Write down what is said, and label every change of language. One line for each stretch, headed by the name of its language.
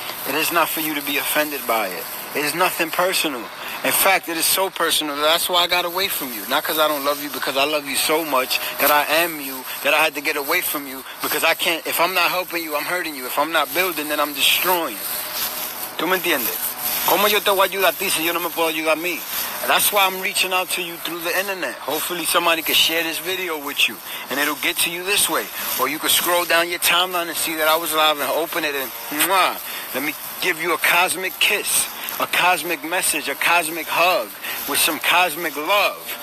English: It is not for you to be offended by it. It is nothing personal. In fact, it is so personal. That's why I got away from you. Not because I don't love you, because I love you so much that I am you, that I had to get away from you because I can't. If I'm not helping you, I'm hurting you. If I'm not building, then I'm destroying.
Spanish: ¿Tú me entiendes? ¿Cómo yo te voy a ayudar a ti si yo no me puedo ayudar a mí?
English: That's why I'm reaching out to you through the internet. Hopefully somebody can share this video with you and it'll get to you this way. Or you could scroll down your timeline and see that I was live and open it and mwah. Let me give you a cosmic kiss, a cosmic message, a cosmic hug with some cosmic love.